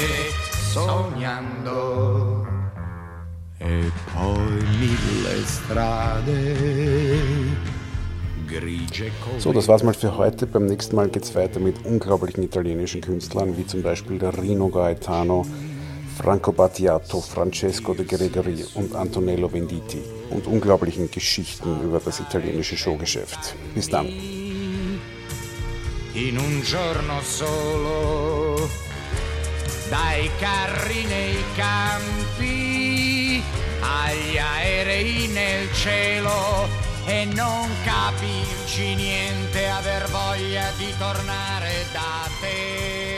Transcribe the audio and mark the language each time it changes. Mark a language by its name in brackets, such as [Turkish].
[Italian] Sognando. E poi mille strade grigie. [German] So, das war's mal für heute. Beim nächsten Mal geht's weiter mit unglaublichen italienischen Künstlern, wie zum Beispiel der Rino Gaetano, Franco Battiato, Francesco de Gregori und Antonello Venditti und unglaublichen Geschichten über das italienische Showgeschäft. Bis dann. [Italian] In un giorno solo, dai carri nei campi, agli aerei nel cielo, e non capirci niente, aver voglia di tornare da te.